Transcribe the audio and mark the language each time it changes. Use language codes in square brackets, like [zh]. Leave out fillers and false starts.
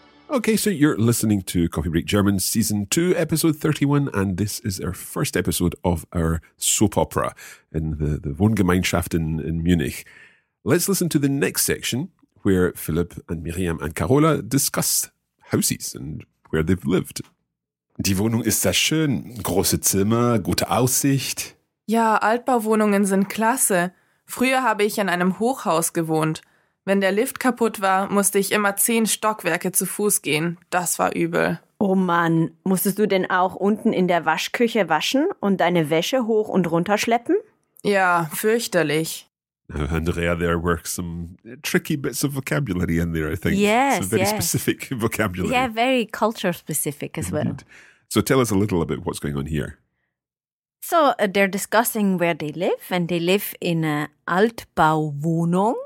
[en] Okay, so you're listening to Coffee Break German Season 2, Episode 31, and this is our first episode of our soap opera in the Wohngemeinschaft in Munich. Let's listen to the next section where Philipp and Miriam and Carola discuss houses and where they've lived. [de] Die Wohnung ist sehr schön. Große Zimmer, gute Aussicht. Ja, Altbauwohnungen sind klasse. Früher habe ich in einem Hochhaus gewohnt. Wenn der Lift kaputt war, musste ich immer 10 Stockwerke zu Fuß gehen. Das war übel. Oh Mann, musstest du denn auch unten in der Waschküche waschen und deine Wäsche hoch und runter schleppen? Ja, fürchterlich. [en] Andrea, there were some tricky bits of vocabulary in there, I think. Yes, some very specific vocabulary. Yeah, very culture specific as well. So tell us a little about what's going on here. So they're discussing where they live and they live in a Altbauwohnung.